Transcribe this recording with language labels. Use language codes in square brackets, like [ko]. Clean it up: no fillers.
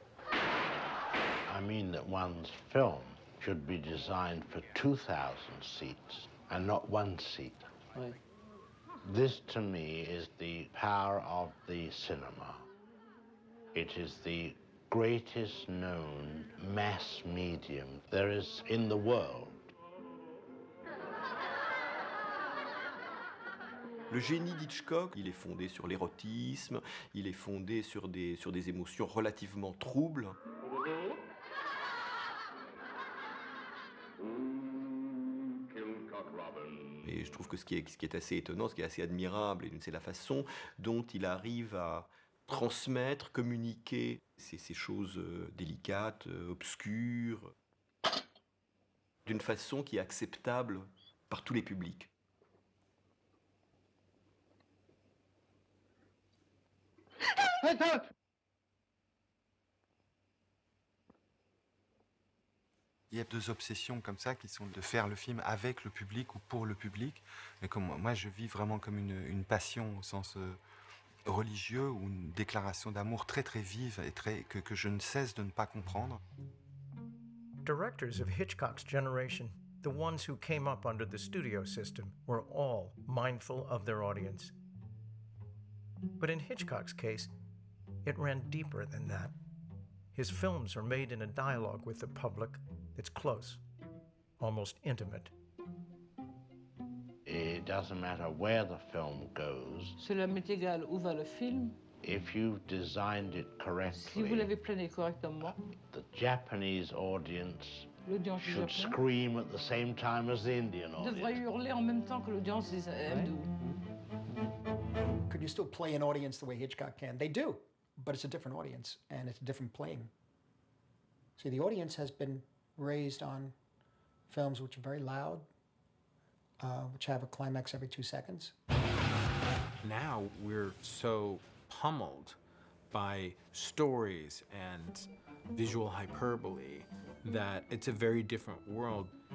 [en] I mean that one's film should be designed for 2,000 seats and not one seat. [fr] Oui. [en] This, to me, is the power of the cinema. It is the greatest known mass medium there is in the world. [fr] Le génie d'Hitchcock, il est fondé sur l'érotisme, il est fondé sur des émotions relativement troubles. Et je trouve que ce qui est assez étonnant, ce qui est assez admirable, c'est la façon dont il arrive à transmettre, communiquer ces choses délicates, obscures, d'une façon qui est acceptable par tous les publics. Il y a deux obsessions comme ça qui sont de faire le film avec le public ou pour le public. Mais comme moi, je vis vraiment comme une passion au sens religieux ou une déclaration d'amour très très vive et très, que je ne cesse de ne pas comprendre. [en] Directors of Hitchcock's generation, the ones who came up under the studio system, were all mindful of their audience. But in Hitchcock's case, it ran deeper than that. His films are made in a dialogue with the public. It's close, almost intimate. It doesn't matter where the film goes. [fr] Cela m'est égal où va le film. [en] If you've designed it correctly, [fr] si vous l'avez planifié correctement, [en] the Japanese audience should scream at the same time as the Indian audience. [fr] Devrait hurler en même temps que l'audience des Hindous. [en] Could you still play an audience the way Hitchcock can? They do, but it's a different audience and it's a different playing. See, the audience has been raised on films which are very loud, which have a climax every 2 seconds. Now we're so pummeled by stories and visual hyperbole that it's a very different world.